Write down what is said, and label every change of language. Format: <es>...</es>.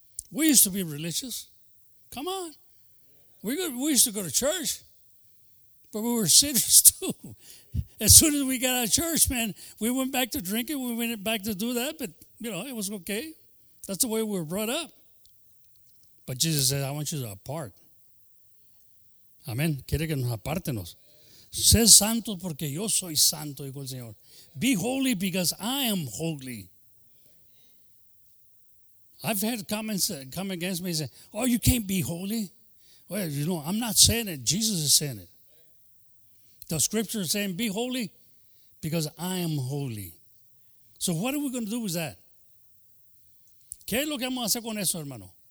<en>We used to be religious. Come on. We used to go to church, but we were sinners too. As soon as we got out of church, man, we went back to drinking. We went back to do that, but, you know, it was okay. That's the way we were brought up. But Jesus said, I want you to apart.</en> <es>Amén. Quiere que nos apartenos. Sé santo porque yo soy santo, dijo el Señor.</es> <en>Be holy because I am holy. I've had comments that come against me and say, oh, you can't be holy. Well, you know, I'm not saying it. Jesus is saying it. The scripture is saying, be holy because I am holy. So what are we going to do with that?</en> <es>¿Qué es lo que vamos a hacer con eso, hermano?</es>